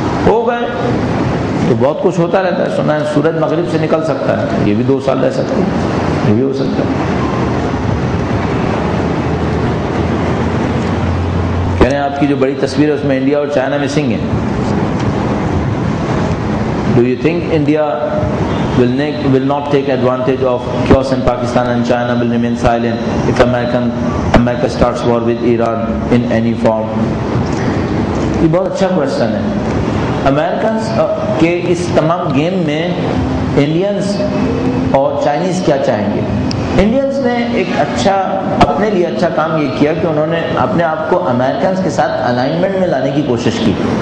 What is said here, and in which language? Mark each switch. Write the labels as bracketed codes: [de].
[ur] ہو گئے تو بہت کچھ ہوتا رہتا ہے. سنا ہے سورج مغرب سے نکل سکتا ہے, یہ بھی 2 سال رہ سکتا ہے, یہ بھی ہو سکتا ہے. کہہ رہے ہیں آپ کی جو بڑی تصویر ہے اس میں انڈیا اور چائنا مسنگ ہے. [en] Do you think India will not take advantage of chaos in Pakistan and China will remain silent if America starts war with Iran in any form? [ur] یہ بہت اچھا question ہے. Americans کے اس تمام game میں Indians اور Chinese کیا چاہیں گے؟ Indians نے ایک اچھا اپنے لیے اچھا کام یہ کیا کہ انہوں نے اپنے آپ کو Americans کے ساتھ alignment میں لانے کی کوشش کی.